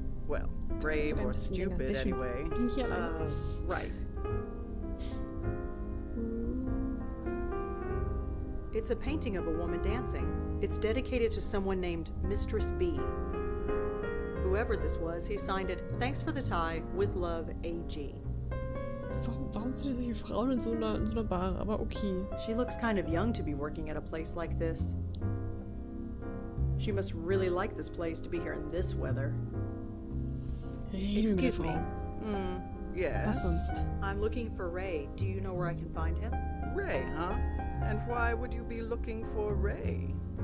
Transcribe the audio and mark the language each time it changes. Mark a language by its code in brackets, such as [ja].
[en] Well, brave or stupid anyway. Right. It's a painting of a woman dancing. It's dedicated to someone named Mistress B. Whoever this was, he signed it, "Thanks for the tie, with love, A.G." [de] Warum sind solche Frauen in so einer Bar? Aber okay. [en] She looks kind of young to be working at a place like this. She must really like this place to be here in this weather. Hey, excuse me. Yes? [de] Was sonst? [en] I'm looking for Ray. Do you know where I can find him? Ray, huh? And why would you be looking for Ray?